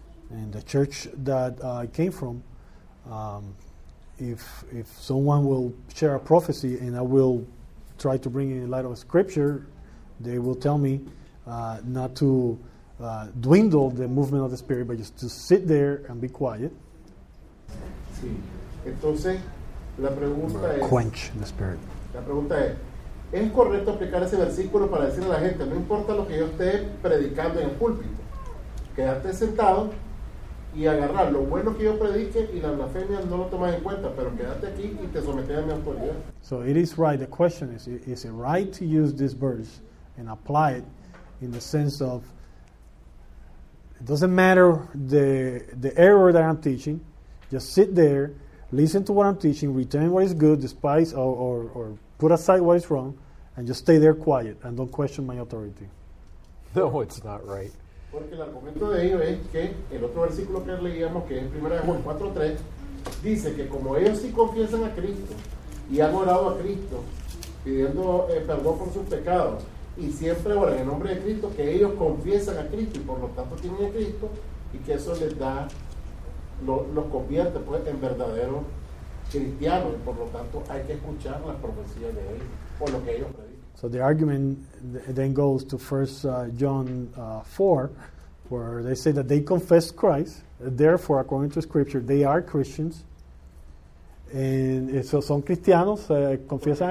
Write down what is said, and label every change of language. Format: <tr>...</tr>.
<en>In the church that I came from, if someone will share a prophecy and I will try to bring it in light of scripture, they will tell me not to dwindle the movement of the spirit, but just to sit there and be quiet.</en> <es>Sí. Entonces, la pregunta es,</es> <en>quench the spirit.</en> <es>La pregunta es correcto aplicar ese versículo para decirle a la gente, no importa lo que yo esté predicando en el púlpito, quédate sentado y agarrar lo bueno que yo predique y la blasfemia no lo tomas en cuenta, pero quédate aquí y te sometes a mi autoridad.</es> <en>So it is right. The question is it right to use this verse and apply it in the sense of, it doesn't matter the error that I'm teaching. Just sit there, listen to what I'm teaching, retain what is good, despise or put aside what is wrong, and just stay there quiet and don't question my authority. No, it's not right.</en> <es>Porque el argumento de ellos es que el otro versículo que leíamos, que es 1 Juan 4:3, dice que como ellos sí confiesan a Cristo y han orado a Cristo pidiendo perdón por sus pecados, y siempre oran en nombre de Cristo, que ellos confiesan a Cristo y por lo tanto tienen a Cristo, y que eso les da, los convierte pues en verdaderos cristianos, y por lo tanto hay que escuchar las profecías de ellos o lo que ellos predican.</es> <en>So the argument then goes to 1 John 4, where they say that they confess Christ, therefore according to scripture they are Christians, and so</en> <es>son cristianos, confiesan</es>